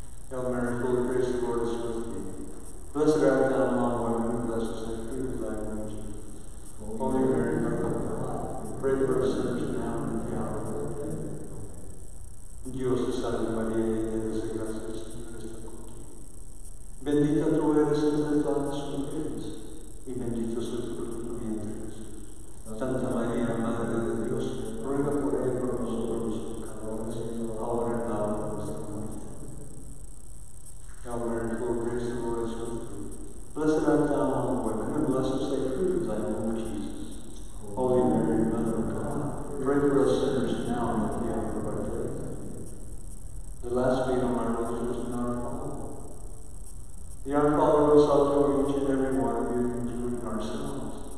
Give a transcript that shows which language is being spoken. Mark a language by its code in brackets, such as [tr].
[en] Hail Mary, full of grace, the Lord is with thee. Blessed art thou among women, and blessed is the fruit of thy womb, Jesus. Holy Mary, Mother of God, pray for us sinners now and at the hour of our death. Amen. [es] Dios te salve, María, llena eres de gracia, el Señor está contigo. Bendita tú eres entre todas las mujeres, y bendito es el fruto de tu vientre, Jesús. Santa María, Madre de Dios, ruega por ella por nosotros los pecadores, ahora en la hora de nuestra muerte. [en] Hail Mary, full of grace, the Lord is with thee. Blessed art thou among women, and blessed is the fruit of thy womb, Jesus. Holy Mary, Mother of God, pray for us sinners now and at the hour of our death. The last meal, my brothers, was in our Father. The Our Father was also for each and every one of you, including ourselves.